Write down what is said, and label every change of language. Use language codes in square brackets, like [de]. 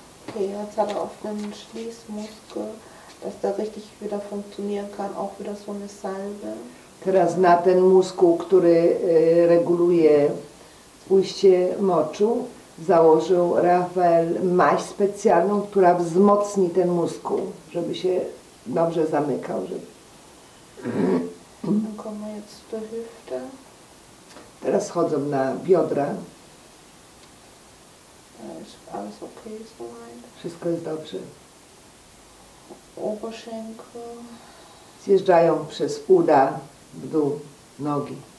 [de] Okay, jetzt hat er oft einen Schließmuskel. Dass da richtig wieder funktionieren kann, auch wieder so eine Salbe. [pl] Teraz na ten muskuł, który reguluje ujście moczu, założył Rafael maść specjalną, która wzmocni ten muskuł, żeby się dobrze zamykał. Żeby... [de] Dann kommen wir jetzt zur Hüfte. [pl] Teraz schodzą na biodra. [de] Alles okay, so weit. [pl] Wszystko jest dobrze. [de] Oberschenkel. [pl] Zjeżdżają przez uda w dół nogi.